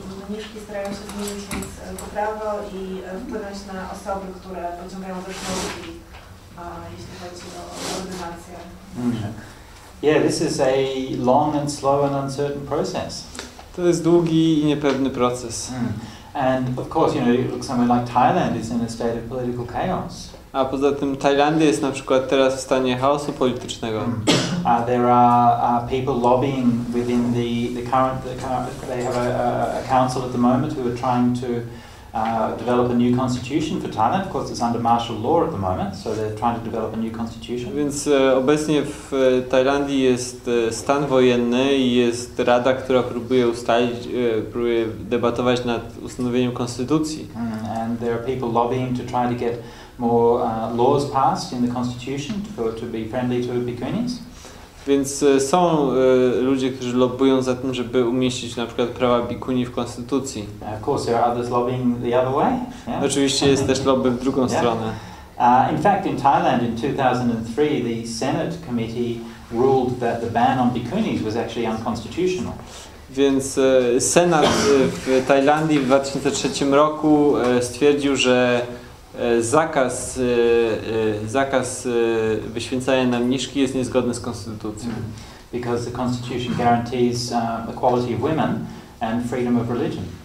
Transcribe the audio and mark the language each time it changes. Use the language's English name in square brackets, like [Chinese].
[Polish] Mniszki starają się zmienić po prawo i wpłynąć na osoby, które pociągają do sznurki, jeśli chodzi o ordynację. [English] Yeah, this is a long and slow and uncertain process. [Polish] To jest długi i niepewny proces. [English] And of course, you know, you look somewhere like Thailand is in a state of political chaos. [Polish] A poza tym Tajlandia jest na przykład teraz w stanie chaosu politycznego. [English] There are people lobbying within the current they have a council at the moment who are trying to develop a new constitution for Thailand. Of course, it's under martial law at the moment, so they're trying to develop a new constitution. [Polish] Więc obecnie w Tajlandii jest stan wojenny i jest rada, która próbuje debatować nad ustanowieniem konstytucji. [English] And there are people lobbying to try to get more laws passed in the constitution to be friendly to bhikkhunis. [Polish] Więc są ludzie, którzy lobbują za tym, żeby umieścić na przykład prawa bikuni w konstytucji. [English] Of course, there are others lobbying the other way. Yeah. [Polish] Oczywiście jest też lobby w drugą stronę. [English] In fact, in Thailand in 2003, the Senate committee ruled that the ban on bikunis was actually unconstitutional. [Polish] Więc Senat w Tajlandii w 2003 roku stwierdził, że zakaz wyświęcania na mniszki jest niezgodny z konstytucją. [English] Because the constitution guarantees equality of women and freedom of religion.